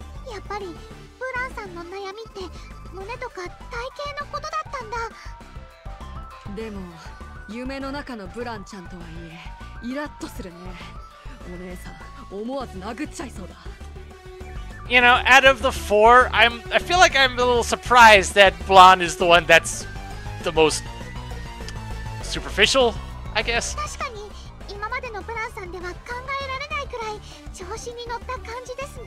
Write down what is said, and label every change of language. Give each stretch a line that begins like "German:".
Japanese: やっぱりブランさんの悩みって胸とか体型のことだったんだ。でも夢の中のブランちゃんとはいえイラッとするね。お姉さん思わず殴っちゃいそうだ。
English: You know, out of the four, I feel like I'm a little surprised that Blonde is the one that's the most superficial, I guess.
Japanese: 確かに、今までのブランさんでは考えられないくらい調子に乗った感じですね。